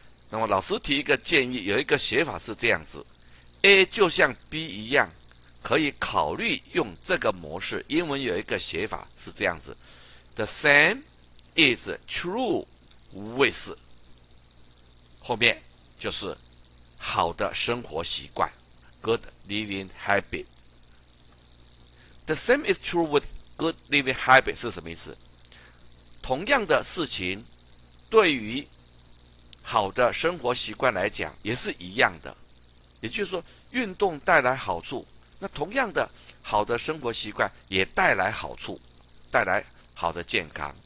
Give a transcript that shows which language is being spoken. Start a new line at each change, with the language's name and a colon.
Chinese: 那么老师提一个建议，有一个写法是这样子：A 就像 B 一样，可以考虑用这个模式。英文有一个写法是这样子：
English: The same is true with。
Chinese: 后面就是好的生活习惯，
English: good living habit。 The same is true with good living habit
Chinese: 是什么意思？同样的事情，对于好的生活习惯来讲也是一样的。也就是说，运动带来好处，那同样的好的生活习惯也带来好处，带来好的健康。